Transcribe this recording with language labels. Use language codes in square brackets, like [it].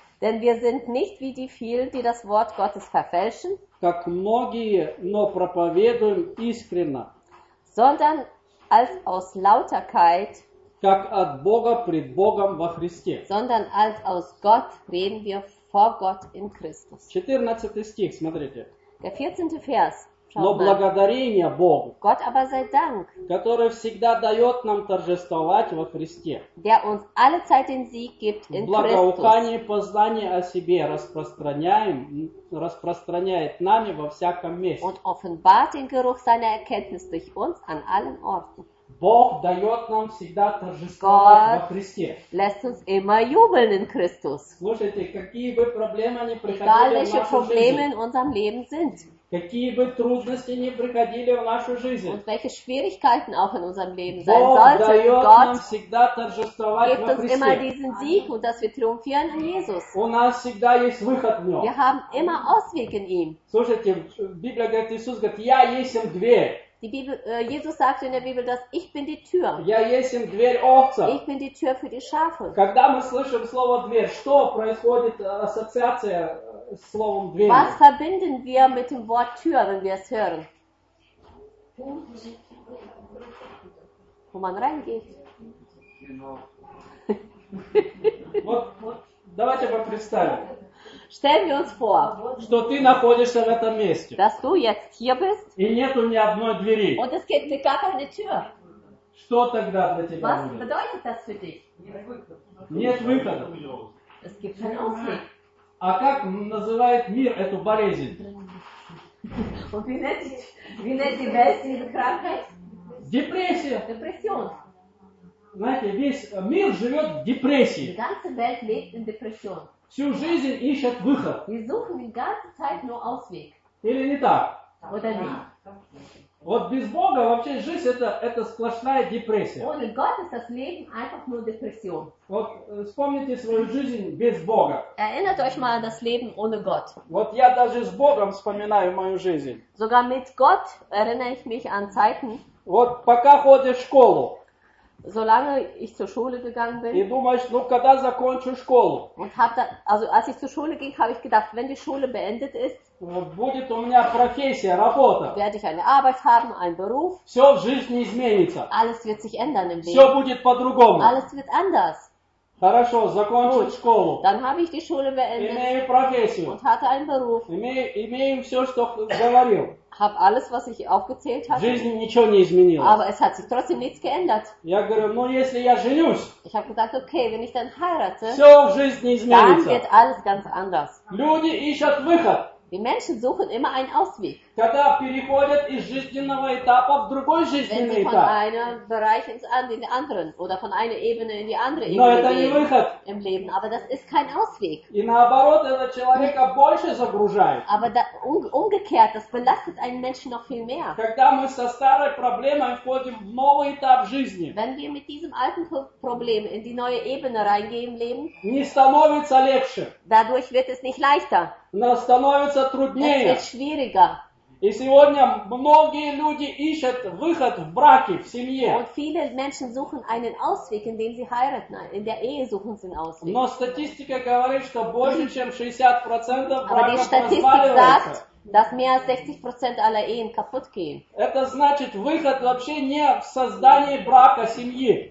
[de] denn wir sind nicht wie die vielen, die das Wort Gottes verfälschen, [ru] как многие, но проповедуем искренно, [de] sondern als aus Lauterkeit, [ru] как от Бога пред Богом во Христе, [de] sondern als aus Gott reden wir vor Gott in Christus. [ru] 14 стих, смотрите. [de] Der 14. Vers. [ru] Но благодарение Богу, [de] Gott aber sei Dank, [ru] который всегда дает нам торжествовать во Христе, [de] der uns alle Zeit den Sieg gibt in [ru] благоухание и познание о себе распространяет нами во всяком месте. [de] Und offenbart den Geruch seiner Erkenntnis durch uns an allen Orten. [ru] Бог дает нам всегда торжествовать во Христе. [de] Lässt uns immer jubeln in Christus. [ru] Слушайте, какие бы проблемы ни приходили в нашу жизнь, проблемы [de] in unserem Leben sind, [ru] какие бы трудности ни приходили в нашу жизнь, [de] und welche Schwierigkeiten auch in unserem Leben sein sollte, [ru] Gott дает нам всегда торжествовать во Христе. [de] Gibt uns immer diesen Sieg, und dass wir triumphieren in Jesus. [ru] У нас всегда есть выход в Нем. [de] Wir haben immer Ausweg in ihm. [ru] Слушайте, Библия говорит, Иисус говорит, я есть дверь. [de] Die Bibel, Jesus sagt in der Bibel, dass ich bin die Tür. [ru] Я есть им дверь овца. [de] Ich bin die Tür für die Schafe. [ru] Когда мы слышим слово дверь, что происходит ассоциация с словом дверь? [de] Was verbinden wir mit dem Wort Tür, wenn wir es hören? Wo man reingeht. [ru] Вот, давайте попредставим. [de] Stellen wir uns vor, [ru] что ты находишься в этом месте, [de] dass du jetzt hier bist, [ru] и нету ни одной двери. [de] Und es gibt gar keine Tür. [ru] Что тогда для тебя? [de] Was bedeutet das für dich? [ru] Нет выхода. [de] Es gibt keinen Ausweg. [ru] А как называет мир эту болезнь? [de] Und wie nennt die Welt diese Krankheit? [ru] Депрессия. [de] Depression. [ru] Знаете, весь мир живет в депрессии. [de] Die ganze Welt lebt in Depression. [ru] Всю жизнь ищет выход. [de] Wir suchen die ganze Zeit nur Ausweg. [ru] Или не так? [de] Oder nicht? [ru] Вот без Бога вообще жизнь это сплошная депрессия. [de] Ohne Gott ist das Leben einfach nur Depression. [ru] Вот вспомните свою жизнь без Бога. [de] Erinnert euch mal an das Leben ohne Gott. [ru] Вот я даже с Богом вспоминаю мою жизнь. [de] Sogar mit Gott erinnere ich mich an Zeiten. [ru] Вот пока ходишь в школу. [de] Solange ich zur Schule gegangen bin. [ru] И думаешь, ну когда закончу школу? [de] Und hab da, also als ich zur Schule ging, habe ich gedacht, wenn die Schule beendet ist, [ru] будет у меня профессия, работа. [de] Werde ich eine Arbeit haben, einen Beruf. [ru] Все в жизни изменится. [de] Alles wird sich ändern im Leben. [ru] Все будет по-другому. [de] Alles wird anders. [ru] Хорошо, закончил [de] Gut. [ru] Школу. [de] Dann habe ich die Schule beendet. [ru] Имею профессию. [de] Und hatte einen Beruf. [ru] Имею все, что говорил. [de] Hab alles, was ich aufgezählt habe. [ru] Жизнь ничего не изменилась. [de] Aber es hat sich trotzdem nichts geändert. [ru] Я говорю, ну если я женюсь. [de] Ich habe gedacht, okay, wenn ich dann heirate. [ru] Все в жизни изменится. [de] Dann wird alles ganz anders. [ru] Люди ищут выход. [de] Die Menschen suchen immer einen Ausweg. [ru] Когда переходят из жизненного этапа в другой жизненный этап. [de] Wenn sie von einem Bereich ins andere, in den anderen oder von einer Ebene in die andere Ebene. [ru] Но это не выход. [de] Im Leben, aber das ist kein Ausweg. [ru] И наоборот, это человека больше загружает. [de] Aber da, umgekehrt, das belastet einen Menschen noch viel mehr. [ru] Когда мы со старой проблемой входим в новый этап жизни. [de] Wenn wir mit diesem alten Problem in die neue Ebene reingehen im Leben. [ru] Не становится легче. [de] Dadurch wird es nicht leichter. [ru] Но становится труднее. [de] Es wird schwieriger. [ru] И сегодня многие люди ищут выход в браке, в семье. [de] Und viele Menschen suchen einen Ausweg, indem sie heiraten. In der Ehe suchen sie einen Ausweg. [ru] Но статистика говорит, что больше, чем 60% браков разваливается. [de] Aber die Statistik sagt, dass mehr als 60% aller Ehen kaputt gehen. [ru] Это значит, выход вообще не в создании брака, семьи.